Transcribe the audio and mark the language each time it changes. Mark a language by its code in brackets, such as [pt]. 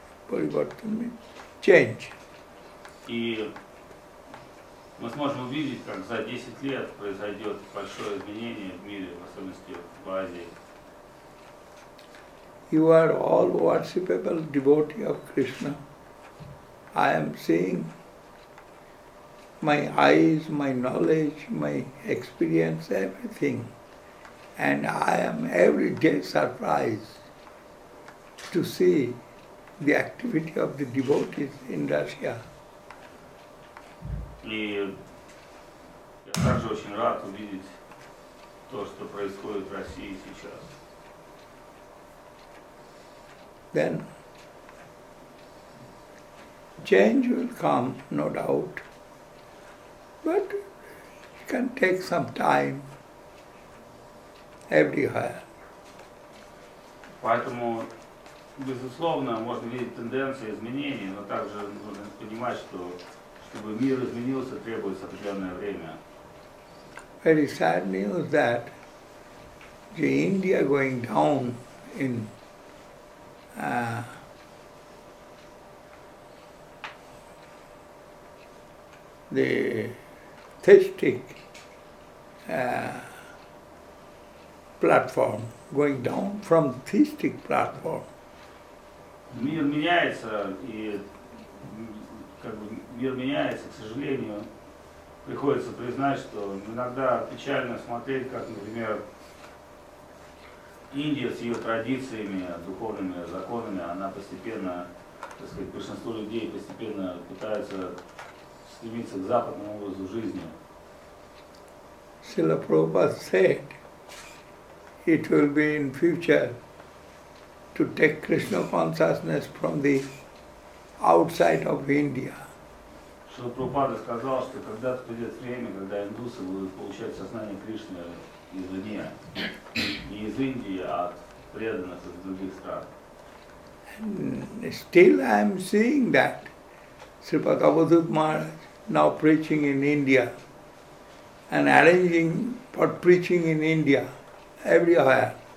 [en] Parivartan means change. [ru] Мы сможем увидеть, как за 10 лет произойдет большое изменение в мире, в особенности в Азии. [en] You are all worshipable devotee of Krishna. I am seeing my eyes, my knowledge, my experience, everything. And I am every day surprised to see the activity of the devotees in Russia. [ru] И я также очень рад увидеть то, что происходит в России сейчас. [en] Then change will come, no doubt, but it can take some time everywhere. [ru] Поэтому, безусловно, можно видеть тенденции изменений, но также нужно понимать, что чтобы мир изменился, требуется определенное время. [en] Very sad news that the India going down in the theistic platform, going down from theistic platform. [ru] Мир меняется, и как бы мир меняется, к сожалению, приходится признать, что иногда печально смотреть, как, например, Индия с ее традициями, духовными законами, она постепенно, так сказать, большинство людей постепенно пытаются стремиться к западному образу жизни. [en] Srila Prabhupada said, it will be in future to take Krishna consciousness from the outside of India. [ru] Шрила Прабхупада сказал, что когда-то придет время, когда индусы будут получать сознание Кришны извне, не из Индии, а от преданных из других стран. [en] And still I am seeing that Srila Prabhupada Maharaj now preaching in India and arranging for preaching in India everywhere.